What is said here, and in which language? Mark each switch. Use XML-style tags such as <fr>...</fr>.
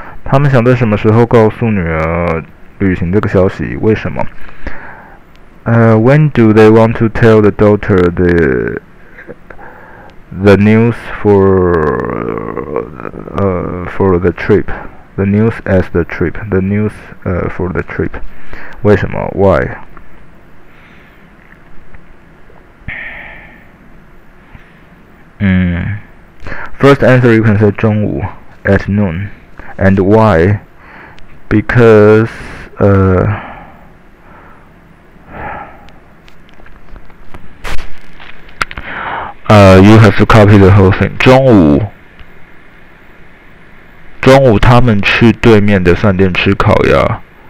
<zh>他们想在什么时候告诉女儿旅行这个消息？为什么？</zh> <en>When do they want to tell the daughter the news for the trip? The news as the trip. The news for the trip. 为什么 ？Why? First answer you can say 中午 at noon. And why? Because you have to copy the whole thing.</en> <zh>中午他们去对面的饭店吃烤鸭。</zh>